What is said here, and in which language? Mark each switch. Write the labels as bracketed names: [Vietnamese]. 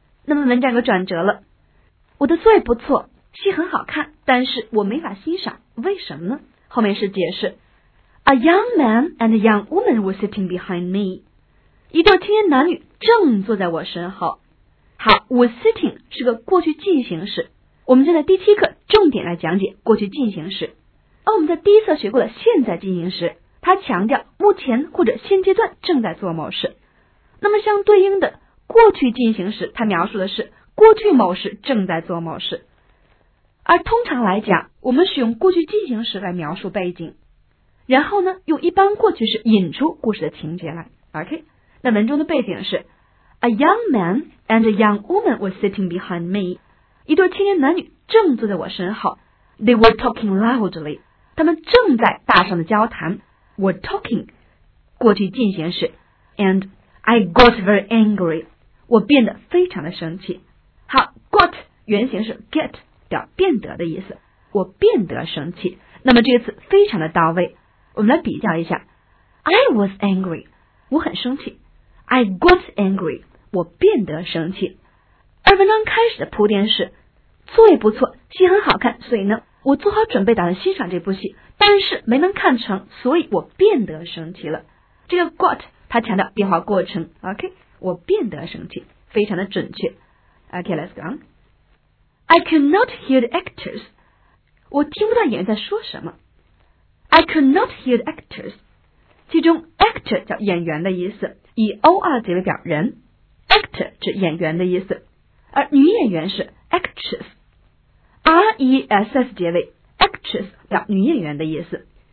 [Chinese] 那么文章又转折了，我的作业不错，戏很好看，但是我没法欣赏，为什么呢？后面是解释 [English] A young man and a young woman were sitting behind me， [Chinese] 一对青年男女正坐在我身后。好， were sitting 是个过去进行时，我们就在第七课重点来讲解过去进行时。而我们在第一册学过的现在进行时，它强调目前或者现阶段正在做某事。那么相对应的过去进行时，它描述的是过去某事正在做某事。而通常来讲，我们使用过去进行时来描述背景，然后呢用一般过去式引出故事的情节来。 [English] OK， [Chinese] 那文中的背景是 [English] A young man and a young woman were sitting behind me， [Chinese] 一对青年男女正坐在我身后。 [English] They were talking loudly， [Chinese] 他们正在大声的交谈。 [English] were talking [Chinese] 过去进行时， [English] and I got very angry， [Chinese] 我变得非常的生气。好， got 原型是 get，表变得的意思，我变得生气。那么这次非常的到位，我们来比较一下。 [English] I was angry， [Chinese] 我很生气。 [English] I got angry， [Chinese] 我变得生气。而文章开始的铺垫是作业不错，戏很好看，所以呢我做好准备打算欣赏这部戏，但是没能看成，所以我变得生气了。这个 got 它强调变化过程， OK， 我变得生气，非常的准确。 [English] OK， let's go onI could not hear the actors， [Chinese] 我听不到演员在说什么。 [English] I could not hear the actors， [Chinese] 其中 actor 叫演员的意思，以 OR 结尾表人， actor 指演员的意思，而女演员是 actress， RESS 结尾， actress 表女演员的意思。